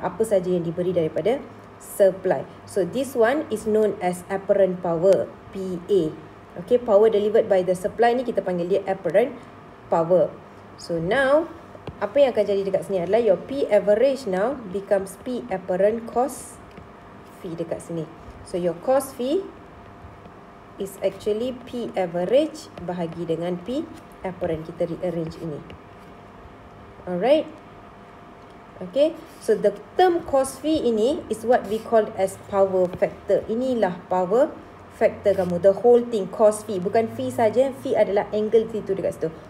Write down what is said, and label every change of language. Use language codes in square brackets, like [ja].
[ms] Apa saja yang diberi daripada supply. [en] So this one is known as apparent power, PA. Okay, power delivered by the supply [ms] ni kita panggil dia [en] apparent power. So now, [ms] apa yang akan jadi dekat sini adalah [en] your P average now becomes P apparent cos V [ms] dekat sini. [en] So your cos V is actually P average [ms] bahagi dengan [en] P apparent. [ms] Kita rearrange ini. [en] Alright. Okay, so the term cos V ini is what we called as power factor. [ms] Inilah [en] power factor [ms] kamu, [en] the whole thing cos V. [ms] Bukan V saja, V adalah angle V tu dekat situ.